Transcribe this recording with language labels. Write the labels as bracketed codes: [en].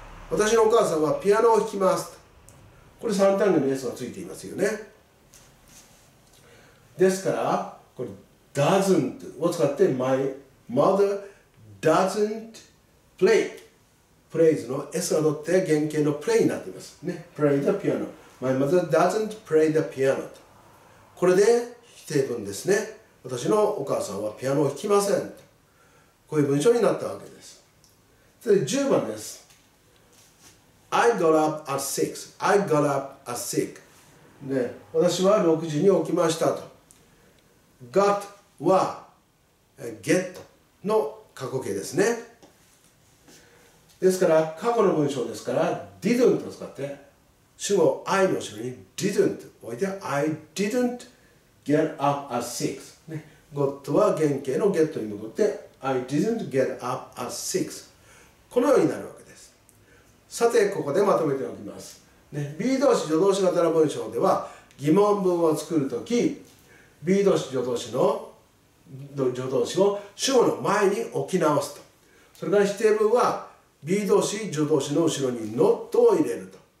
[ja] 私のお母さんはピアノを弾きます。これ3単元の S がついていますよね。ですから、これ doesn't を使って [en] My mother doesn't play. [ja] plays の S が取って原型の play になっています。 [en] ね、play the piano. My mother doesn't play the piano. [ja] これで否定文ですね。私のお母さんはピアノを弾きません。こういう文章になったわけです。で、10番です。 [en] I got up at 6. I got up at 6. [ja] ね、私は6時に起きましたと。got は get の過去形ですね。ですから、過去の文章ですから、didn't を使って、主語 I の後ろに didn't を置いて、 [en] I didn't get up at 6. [ja] ね、got は原形の get に戻って、 [en] I didn't get up at 6. [ja] このようになるわけです。さて、ここでまとめておきます。ね、B 動詞、助動詞型の文章では、疑問文を作るとき、B 動詞、助動詞の助動詞を主語の前に置き直すと。それから否定文は、B 動詞、助動詞の後ろに not を入れると。